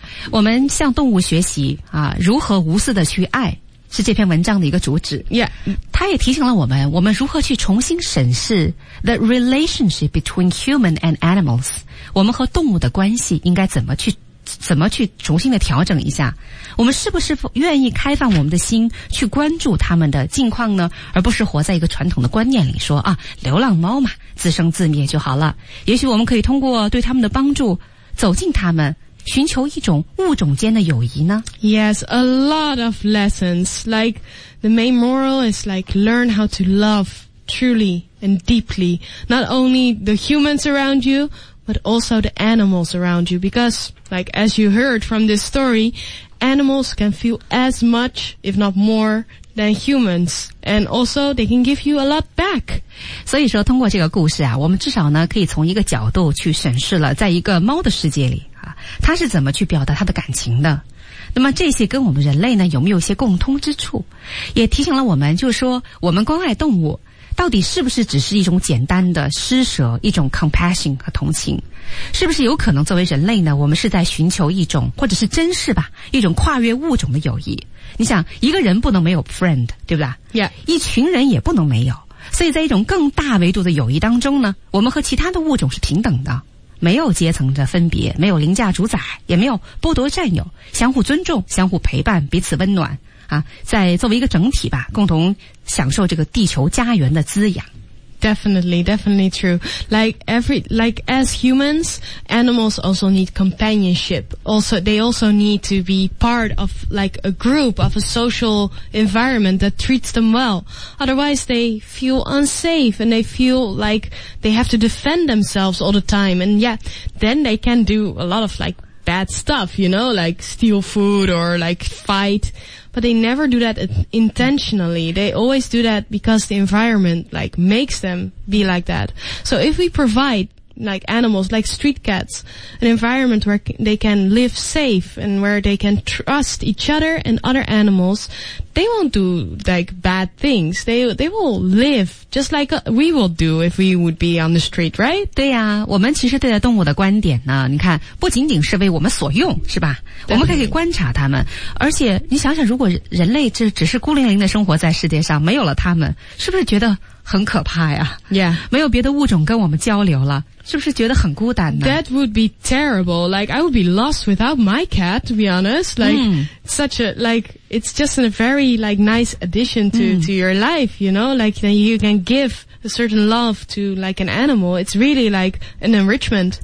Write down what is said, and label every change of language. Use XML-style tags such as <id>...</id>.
<zh>我们向动物学习啊，如何无私的去爱，是这篇文章的一个主旨。</zh> <en>Yeah.</en> <zh>他也提醒了我们，我们如何去重新审视</zh> <en>the relationship between human and animals,</en> <zh>我们和动物的关系应该怎么去怎么去重新的调整一下，我们是不是愿意开放我们的心去关注他们的近况呢，而不是活在一个传统的观念里说啊，流浪猫嘛，自生自灭就好了。也许我们可以通过对他们的帮助走近他们，寻求一种物种间的友谊呢。</zh> <en>Yes, a lot of lessons. Like the main moral is like learn how to love truly and deeply, not only the humans around you, but also the animals around you. Because like as you heard from this story, animals can feel as much, if not more,than humans, and also they can give you a lot back.</en> <zh>所以说通过这个故事啊，我们至少呢可以从一个角度去审视了在一个猫的世界里啊，它是怎么去表达它的感情的。那么这些跟我们人类呢有没有一些共通之处，也提醒了我们，就是说我们关爱动物到底是不是只是一种简单的施舍，一种 compassion 和同情，是不是有可能作为人类呢，我们是在寻求一种，或者是珍视吧，一种跨越物种的友谊。你想一个人不能没有 friend, 对不对、 yeah. 一群人也不能没有，所以在一种更大维度的友谊当中呢，我们和其他的物种是平等的，没有阶层的分别，没有凌驾主宰，也没有剥夺占有，相互尊重，相互陪伴，彼此温暖啊，在作为一个整体吧，共同享受这个地球家园的滋养。</zh> <en>Definitely, definitely true. Like as humans, animals also need companionship. Also, they also need to be part of like a group of a social environment that treats them well. Otherwise, they feel unsafe and they feel like they have to defend themselves all the time. And yeah, then they can do a lot of like bad stuff, you know, like steal food or like fight. But they never do that intentionally. They always do that because the environment, like, makes them be like that. So if we provide, like, animals, like street cats, an environment where they can live safe and where they can trust each other and other animals, they won't do, like, bad things. They will live just like we would do if we would be on the street, right?</en> <zh>对呀、啊、我们其实对待动物的观点呢，你看，不仅仅是为我们所用，是吧？我们可以观察他们，而且你想想，如果人类这只是孤零零的生活在世界上，没有了他们，是不是觉得很可怕呀？</zh> <en>Yeah.</en> <zh>没有别的物种跟我们交流了，是不是觉得很孤单呢？</zh> <en>That would be terrible. Like, I would be lost without my cat, to be honest. Like,、mm. such a, like, it's just a very, like, nice addition to,、mm. to your life, you know? Like, then you can give a certain love to, like, an animal. It's really, like, an enrichment.</en>